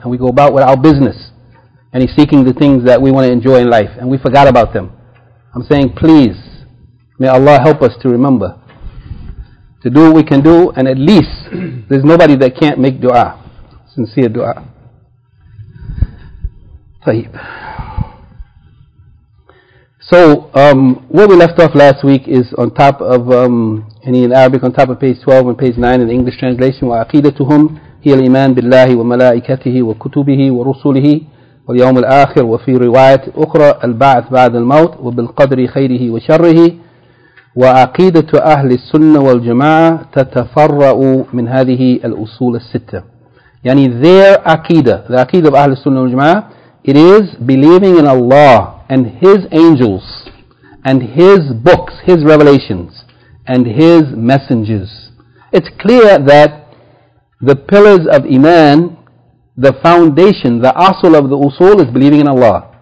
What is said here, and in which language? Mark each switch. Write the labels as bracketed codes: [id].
[en] And we go about with our business, and he's seeking the things that we want to enjoy in life, and we forgot about them. I'm saying, please, may Allah help us to remember to do what we can do, and at least there's nobody that can't make dua, sincere dua. So, where we left off last week is on top of, in Arabic, on top of page 12 and page 9 in the English translation, [ar] وَعَقِيدَتُهُمْ هِيَ الْإِيمَانِ بِاللَّهِ وَمَلَائِكَتِهِ وَكُتُبِهِ وَرُسُولِهِ وَالْيَوْمِ الْآخِرِ وَفِي رِوَايَةِ أُخْرَى الْبَعْثِ بَعْدَ الْمَوْتِ وَبِالْقَدْرِ خَيْرِهِ وَشَرِّهِ وَعَقِيدَةُ أَهْلِ السُّنَّةِ وَالْجَمَاعَةِ تَتَفَرَّعُ مِنْ هَذِهِ الْأُصُولِ السِّتَّةِ. [en] Yani, their aqidah, the aqidah of Ahlul Sunnah wal Jama'ah, it is believing in Allah and His angels and His books, His revelations and His messengers. It's clear that the pillars of Iman, the foundation, the asul of the usul, is believing in Allah.